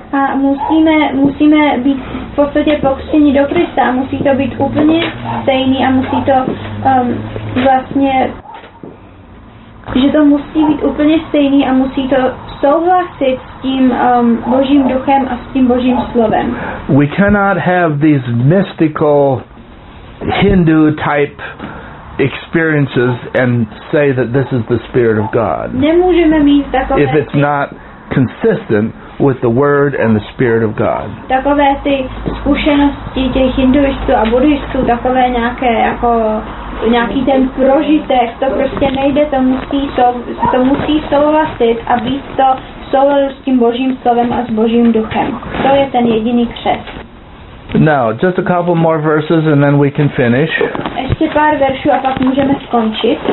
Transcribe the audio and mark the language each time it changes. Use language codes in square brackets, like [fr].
[cs] A musíme být v podstatě pokřtěni do Krista a musí to být úplně stejný a musí to vlastně, že to musí být úplně stejný a musí to souhlasit s tím Božím duchem a s tím Božím slovem. [en] We cannot have these mystical Hindu type experiences and say that this is the Spirit of God. [cs] Nemůžeme mít takové [en] if it's not consistent with the Word and the Spirit of God. [cs] Takové ty zkušenosti těch hinduistů a buddhistů, takové nějaké jako nějaký ten prožitek, to prostě nejde, to musí souhlasit a být to souladu s tím Božím slovem a s Božím duchem. To je ten jediný křest. [en] Now, just a couple more verses and then we can finish. [cs] Ještě pár veršů a pak můžeme skončit.